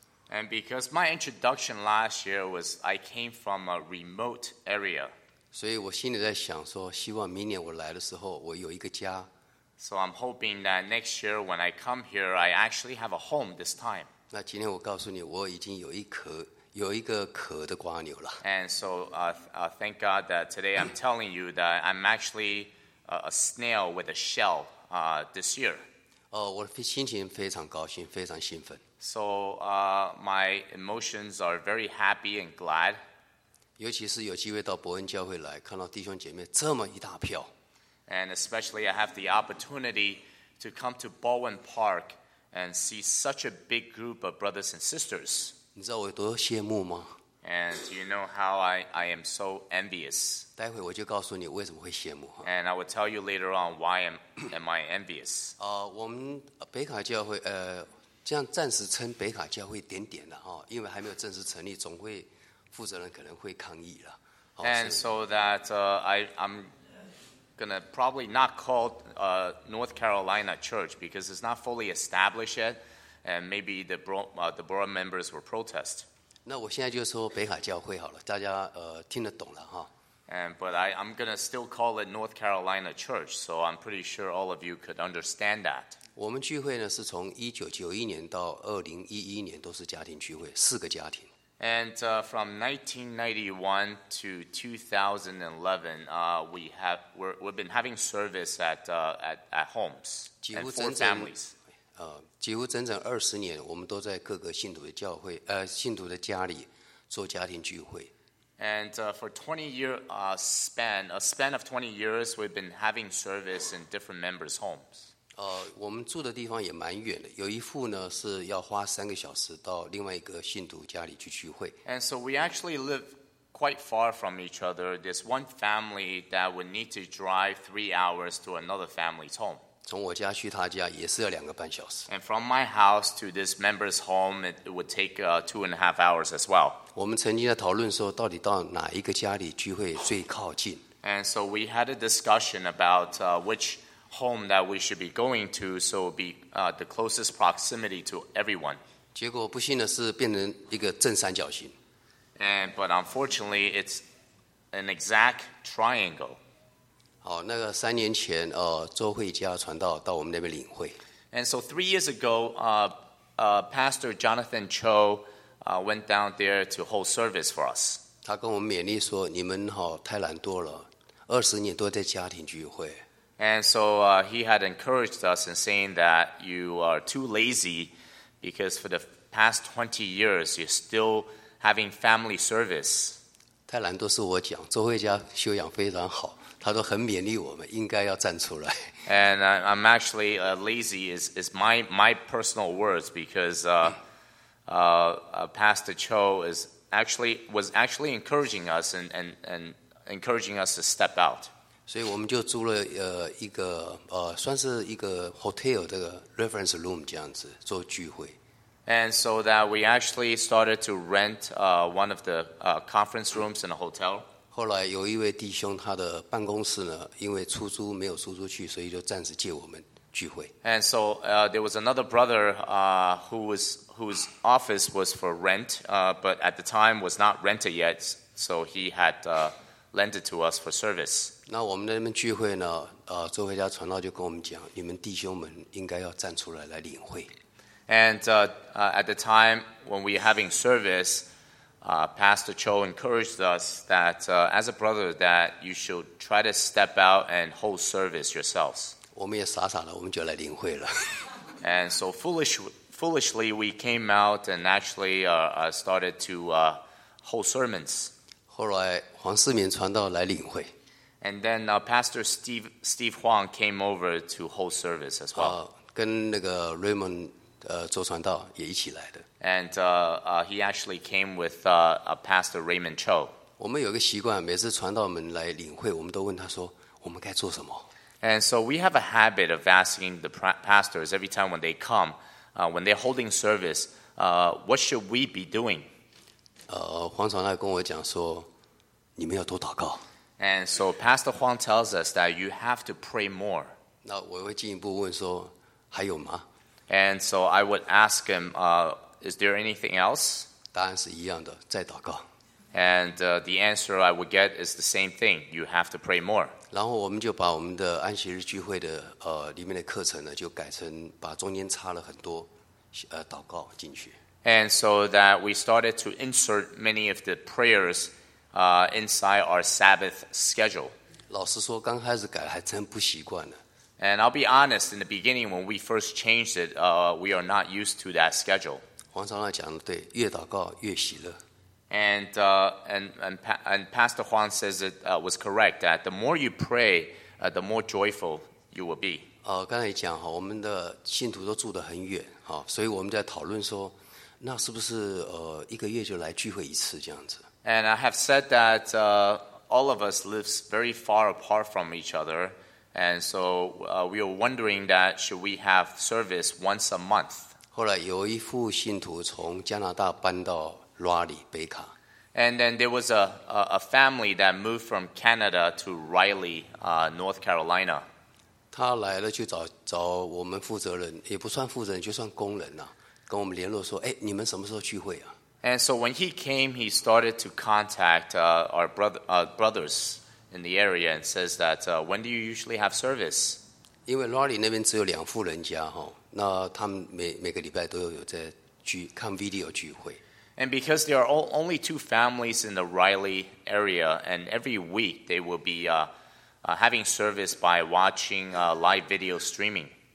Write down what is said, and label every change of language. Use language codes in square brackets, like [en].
[en] And because my introduction last year was I came from a remote area. [zh] 所以我心里在想说，希望明年我来的时候，我有一个家。 [en] So I'm hoping that next year when I come here, I actually have a home this time. [zh] 那今天我告诉你，我已经有一颗。有一个壳的瓜牛了。 [en] And so, thank God that today I'm telling you that I'm actually a snail with a shell, this year. [zh] 我的心情非常高兴，非常兴奋。 [en] So, my emotions are very happy and glad. [zh] 尤其是有机会到伯恩教会来，看到弟兄姐妹这么一大票。 [en] And especially, I have the opportunity to come to Bowen Park and see such a big group of brothers and sisters. [zh] 你知道我有多羡慕吗？ [en] And you know how I am so envious. [zh] 待会我就告诉你为什么会羡慕。 [en] And I will tell you later on why am I envious. [zh] 我们北卡教会这样暂时称北卡教会点点的哈，因为还没有正式成立，总会负责人可能会抗议了。 [en] And so that I'm gonna probably not call North Carolina Church because it's not fully established yet. And maybe the board members will protest. [zh] 那我现在就说北卡教会好了，大家听得懂了哈。 [en] But I'm gonna still call it North Carolina Church, so I'm pretty sure all of you could understand that. [zh] 我们聚会呢是从1991年到2011年都是家庭聚会，四个家庭。 [en] And from 1991 to 2011, we've been having service at homes and four families. [zh] 几乎整整二十年，我们都在各个信徒的教会，信徒的家里做家庭聚会。 [en] And for 20-year span, a span of 20 years, we've been having service in different members' homes. [zh] 我们住的地方也蛮远的，有一户呢是要花三个小时到另外一个信徒家里去聚会。 [en] And so we actually live quite far from each other. There's one family that would need to drive 3 hours to another family's home. [zh] 从我家去他家也是要两个半小时。 [en] And from my house to this member's home, it would take two and a half hours as well. [zh] 我们曾经在讨论说，到底到哪一个家里聚会最靠近 [en] ？And so we had a discussion about which home that we should be going to, so it would be the closest proximity to everyone. [zh] 结果不幸的是，变成一个正三角形。 [en] And but unfortunately, it's an exact triangle. [zh] 好，那个三年前，周慧佳传道到我们那边领会。 [en] And so 3 years ago, Pastor Jonathan Cho, went down there to hold service for us. [zh] 他跟我们勉励说：“你们好太懒惰了，二十年都在家庭聚会。 [en] ”And so he had encouraged us in saying that you are too lazy because for the past 20 years you're still having family service. [zh] 太懒惰是我讲，周慧佳修养非常好。他都很勉励我们，应该要站出来。 [en] And I'm actually lazy is my personal words because Pastor Cho was actually encouraging us and encouraging us to step out. [zh] 所以我们就租了一个算是一个 hotel 的 [en] reference room [zh] 这样子做聚会。 [en] And so that we actually started to rent one of the conference rooms in a hotel. [zh] 后来有一位弟兄，他的办公室呢，因为出租没有租出去，所以就暂时借我们聚会。 [en] And so, there was another brother, whose office was for rent, but at the time was not rented yet, so he had lent it to us for service. [zh] 那我们在那边聚会呢，周慧佳传道就跟我们讲，你们弟兄们应该要站出来来领会。 [en] And at the time when we were having service. Pastor Cho encouraged us that as a brother that you should try to step out and hold service yourselves. [zh] 我们也傻傻的我们就来领会了。 [en] And so foolishly we came out and actually started to hold sermons. [zh] 后来黄世明传道来领会。 [en] And then Pastor Steve Huang came over to hold service as well. [zh] 跟那个 Raymond 做传道也一起来的。 [en] And he actually came with Pastor Raymond Cho. [zh] 我们有一个习惯，每次传道们来领会，我们都问他说，我们该做什么？ [en] And so we have a habit of asking the pastors every time when they come, when they're holding service, what should we be doing? [zh] 黄传道跟我讲说，你们要多祷告。 [en] And so Pastor Huang tells us that you have to pray more. [zh] 那我会进一步问说，还有吗？ [en] And so I would ask him, is there anything else? [zh] 答案是一样的，再祷告。 [en] And the answer I would get is the same thing. You have to pray more. [zh] 然后我们就把我们的安息日聚会的里面的课程呢，就改成把中间插了很多祷告进去。 [en] And so that we started to insert many of the prayers inside our Sabbath schedule. [zh] 老实说，刚开始改还真不习惯呢。 [en] And I'll be honest, in the beginning when we first changed it, we are not used to that schedule. [zh] 黄长老讲的对，越祷告越喜乐。 [en] And Pastor Huang says it was correct that the more you pray, the more joyful you will be. [zh] 刚才讲我们的信徒都住得很远，所以我们在讨论说，那是不是一个月就来聚会一次这样子。 [en] And I have said that all of us lives very far apart from each other, and so we were wondering that should we have service once a month. [zh] 后来有一副信徒从加拿大搬到Raleigh, 北卡。 [en] And then there was a family that moved from Canada to Raleigh, North Carolina. [zh] 他来了就找我们负责人，也不算负责人，就算工人啊，跟我们联络说，哎，你们什么时候聚会啊？ [en] And so when he came, he started to contact our brothers in the area and says that when do you usually have service? [zh] 因为 Raleigh 那边只有两户人家，那他们 每个礼拜都有在看 video 聚会。 [en] And because there are only two families in the Raleigh area, and every week they will be having service by watching live video streaming.